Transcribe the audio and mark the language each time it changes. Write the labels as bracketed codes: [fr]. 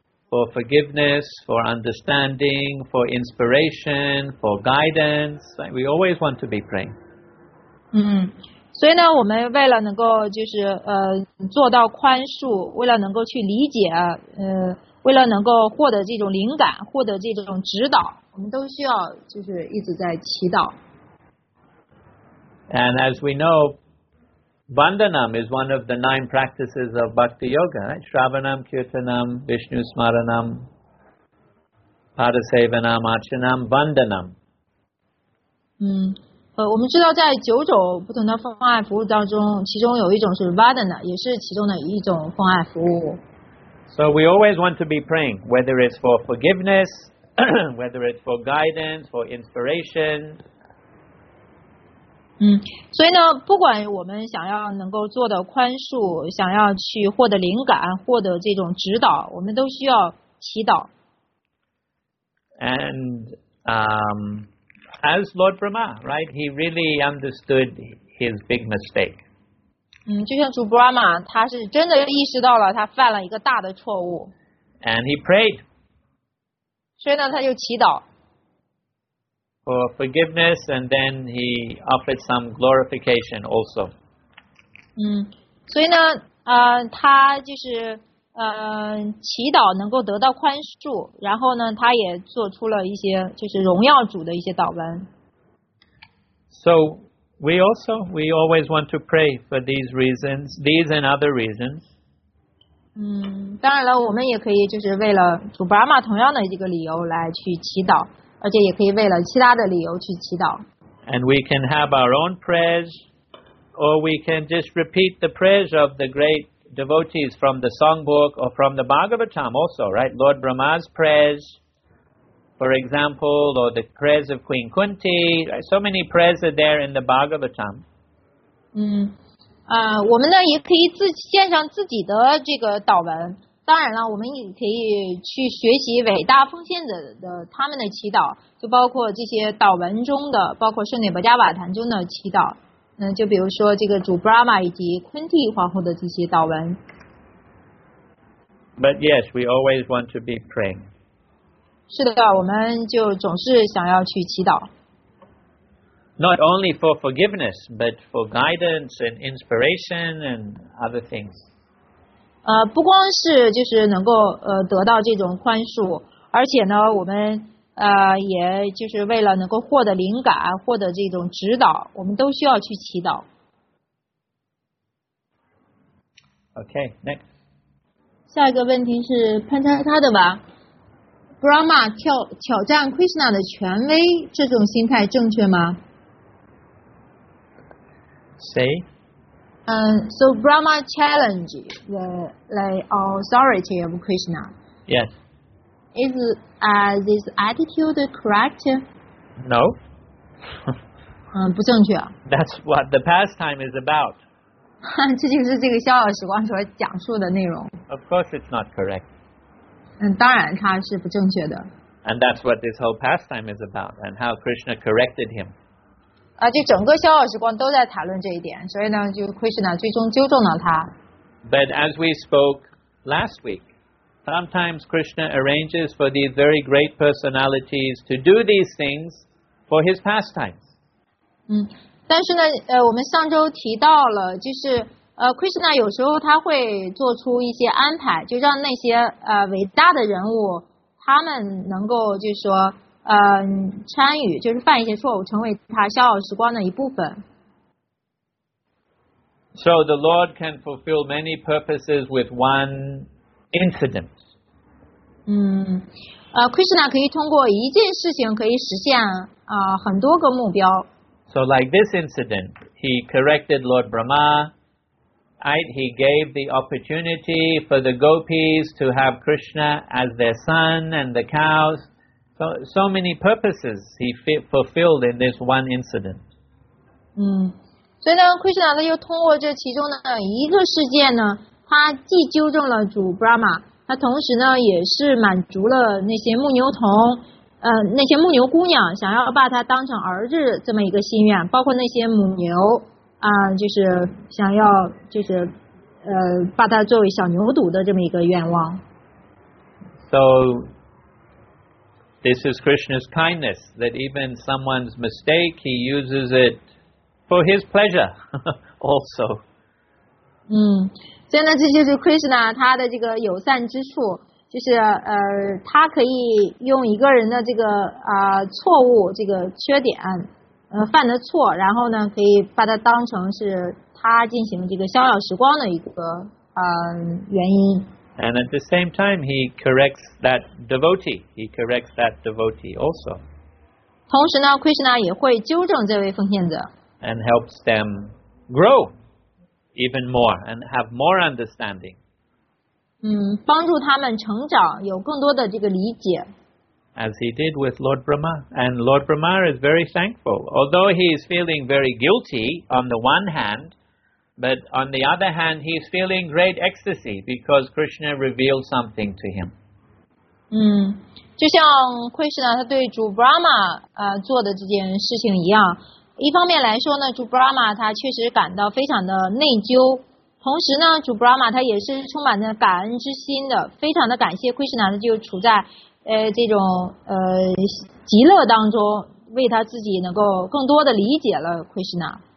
[en] For forgiveness, for understanding, for inspiration, for guidance, we always want to be praying. [zh] 所以呢，我们为了能够就是做到宽恕，为了能够去理解，为了能够获得这种灵感，获得这种指导，我们都需要就是一直在祈祷。 [en] And as we know, Vandanam is one of the nine practices of Bhakti Yoga, right? [sa] Shravanam, Kirtanam, Vishnu Smaranam, Padasevanam, Archanam, Vandanam. [zh] 我们知道在九种不同的奉爱服务当中，其中有一种是 Vandana, 也是其中的一种奉爱服务。 [en] So we always want to be praying, whether it's for forgiveness, whether it's for guidance, for inspiration. [zh] 所以呢，不管我们想要能够做的宽恕，想要去获得灵感，获得这种指导，我们都需要祈祷。 [en] And as Lord Brahma, right? He really understood his big mistake. [zh] 就像主 Brahma, 他是真的意识到了他犯了一个大的错误。 [en] And he prayed. [zh] 所以呢，他就祈祷。 [en] For forgiveness, and then he offered some glorification also. [zh] 所以呢，他就是祈祷能够得到宽恕，然后呢，他也做出了一些就是荣耀主的一些祷文。 [en] So we always want to pray for these reasons, these and other reasons. [zh] 当然了，我们也可以就是为了主巴玛同样的一个理由来去祈祷。而且也可以为了其他的理由去祈祷。 [en] And we can have our own prayers, or we can just repeat the prayers of the great devotees from the songbook or from the Bhagavatam also, right? Lord Brahma's prayers, for example, or the prayers of Queen Kunti. So many prayers are there in the Bhagavatam. [zh] 我们呢也可以献上自己的这个祷文。当然了，我们也可以去学习伟大奉献者的他们的祈祷，就包括这些祷文中的，包括圣典薄伽瓦坛中的祈祷。就比如说这个主 Brahma 以及 Kunti 皇后的这些祷文。 [en] But yes, we always want to be praying. [zh] 是的，我们就总是想要去祈祷。 [en] Not only for forgiveness, but for guidance and inspiration and other things. [zh] 不光是就是能够得到这种宽恕，而且呢，我们也就是为了能够获得灵感，获得这种指导，我们都需要去祈祷。 [en] Okay, next. [zh] 下一个问题是潘查塔的吧 ？Brahma 挑战 Krishna 的权威，这种心态正确吗 [en] ？Say. So Brahma challenged the authority of Krishna. Yes. Is this attitude correct? No. [zh] 不正确。 [en] That's what the pastime is about. [zh] 这就是这个逍遥时光所讲述的内容。 [en] Of course it's not correct. [zh] 当然它是不正确的。 [en] And that's what this whole pastime is about, and how Krishna corrected him. [zh] 就整个逍遥时光都在谈论这一点，所以呢，就 Krishna 最终纠正了他。 [en] But as we spoke last week, sometimes Krishna arranges for these very great personalities to do these things for his pastimes. [zh] 但是呢，我们上周提到了，就是Krishna 有时候他会做出一些安排，就让那些伟大的人物他们能够就是说。参与就是犯一些错误，成为他逍遥时光的一部分。 [en] So the Lord can fulfill many purposes with one incident. [zh] Krishna 可以通过一件事情可以实现很多个目标。 [en] So like this incident, he corrected Lord Brahma, right? He gave the opportunity for the gopis to have Krishna as their son and the cows. So many purposes he fulfilled in this one incident. [zh] 所以呢 ，Krishna 他又通过这其中的一个事件呢，他既纠正了主 Brahma， 他同时呢也是满足了那些牧牛童，那些牧牛姑娘想要把他当成儿子这么一个心愿，包括那些母牛就是想要就是把他作为小牛犊的这么一个愿望。 [en] So. This is Krishna's kindness, that even someone's mistake, he uses it for his pleasure also. [zh] 所以呢，这就是 Krishna 他的这个友善之处，就是他可以用一个人的这个错误这个缺点犯的错，然后呢可以把它当成是他进行这个逍遥时光的一个原因。 [en] And at the same time, he corrects that devotee. He corrects that devotee also. [zh] 同时呢 ，Krishna 也会纠正这位奉献者。 [en] And helps them grow even more and have more understanding. [zh] 帮助他们成长，有更多的这个理解。 [en] As he did with Lord Brahma, and Lord Brahma is very thankful, although he is feeling very guilty on the one hand. But on the other hand, he's feeling great ecstasy because Krishna revealed something to him. [zh] 就像 Krishna 他对主 Brahma 做的这件事情一样，一方面来说呢，主 Brahma 他确实感到非常的内疚，同时呢，主 Brahma 他也是充满着感恩之心的，非常的感谢 Krishna， 他就处在这种极乐当中，为他自己能够更多的理解了 Krishna。